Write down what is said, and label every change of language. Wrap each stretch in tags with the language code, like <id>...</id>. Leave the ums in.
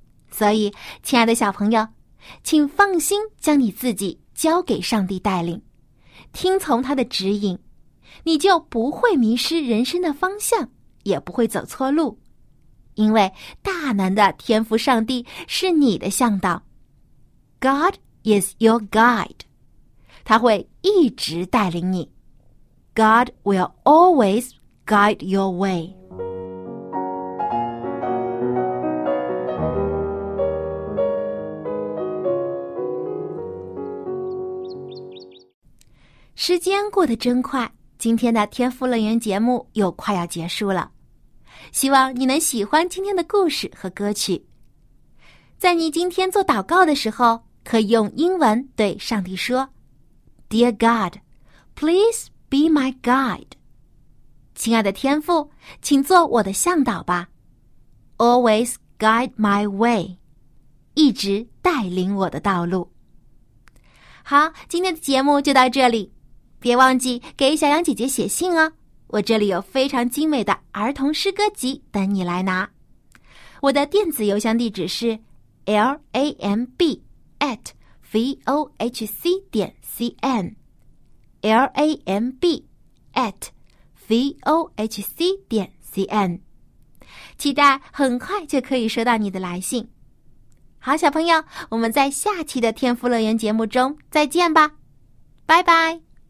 <zh>所以，亲爱的小朋友，请放心将你自己交给上帝带领，听从他的指引，你就不会迷失人生的方向，也不会走错路。因为大难的天赋，上帝是你的向导，</zh> <en>God is your guide，</en> <zh>他会一直带领你。</zh> <en>God will always guide your way.</en> <zh>时间过得真快，今天的天赋乐园节目又快要结束了。希望你能喜欢今天的故事和歌曲。在你今天做祷告的时候，可以用英文对上帝说：</zh> <en>“Dear God, please。 ” Be my guide，</en> <zh>亲爱的天父，请做我的向导吧。</zh> <en>Always guide my way，</en> <zh>一直带领我的道路。好，今天的节目就到这里，别忘记给小杨姐姐写信哦。我这里有非常精美的儿童诗歌集等你来拿。我的电子邮箱地址是 l a m b at v o h c 点 c n。 L A M B at v o h c 点 c n，期待很快就可以收到你的来信。好，小朋友，我们在下期的天赋乐园节目中再见吧，拜拜。</zh>